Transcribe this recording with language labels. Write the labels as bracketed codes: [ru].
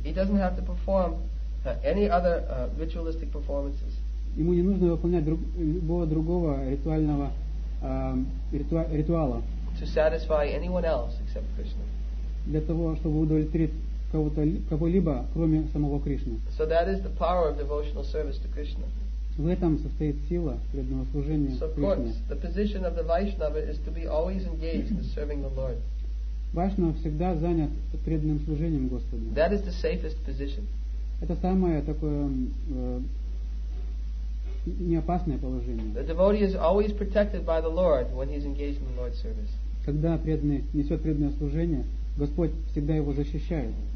[en] He doesn't have to perform any other ritualistic performances. [ru] Ему не нужно выполнять любого другого ритуального ритуала. [en] To satisfy anyone else except Krishna. [ru] Для того, чтобы удовлетворить кого-либо, кроме самого Кришны. [en] So that is the power of devotional service to Krishna. [ru] В этом состоит сила преданного служения Кришне. [en] So of course, the position of the Vaishnava is to be always engaged in serving the Lord. [ru] Вайшнава всегда занят преданным служением Господу. [en] That is the safest position. [ru] Это самое такое неопасное положение. [en] The devotee is always protected by the Lord when he is engaged in the Lord's service. [ru] Когда преданный несет преданное служение, Господь всегда его защищает.